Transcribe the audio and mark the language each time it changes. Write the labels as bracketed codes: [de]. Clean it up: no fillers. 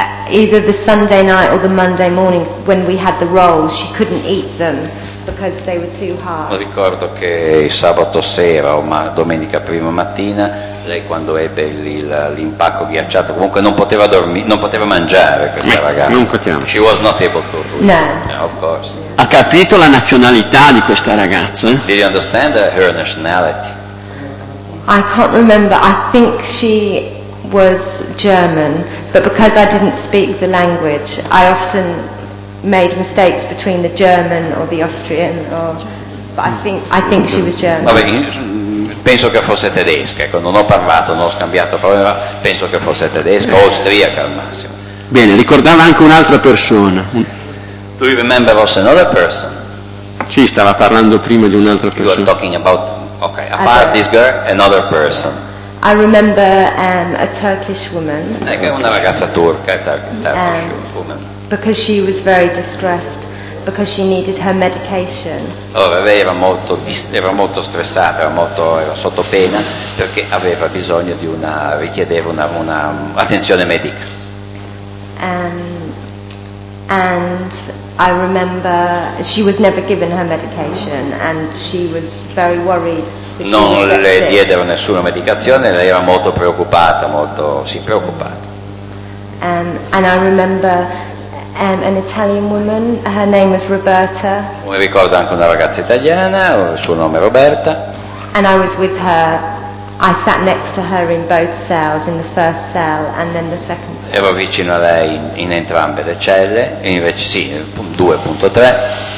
[en] either the Sunday night or the Monday morning when we had the rolls, she couldn't eat them because they were too hard. [it] Ricordo che sabato sera o domenica prima mattina lei, quando ebbe l'impacco ghiacciato, comunque non poteva dormire, non poteva mangiare questa ragazza. Non poteva. [en] She was not able to. No. No, of course. [it] Ha capito la nazionalità di questa ragazza? [en] Did you understand her nationality? I can't remember. I think she was German, but because I didn't speak the language, I often made mistakes between the German or the Austrian, or, but I think she was German. [it] Vabbè, penso che fosse tedesca, ecco, non ho parlato, non ho scambiato parole, ma penso che fosse tedesca o austriaca al massimo. Bene, ricordava anche un'altra persona. [en] Do you remember also another person? [it] Sì, stava parlando prima di un'altra persona. [en] You were talking about, okay, apart this girl, another person. I remember a Turkish woman. [it] Una ragazza turca, [en] Turkish woman. Because she was very distressed, because she needed her medication. [it] Allora, lei era molto stressata, era sotto pena, perché aveva bisogno di una, richiedeva una attenzione medica. [en] And I remember she was never given her medication and she was very worried. [it] Non le diedero nessuna medicazione, lei era molto preoccupata, preoccupata. [en] And I remember an Italian woman, her name was Roberta. [it] Mi ricordo anche una ragazza italiana, il suo nome è Roberta. [en] And I was with her. I sat next to her in both cells, in the first cell and then the second cell. [it] Ero vicino a lei in entrambe le celle, invece sì, 2.3.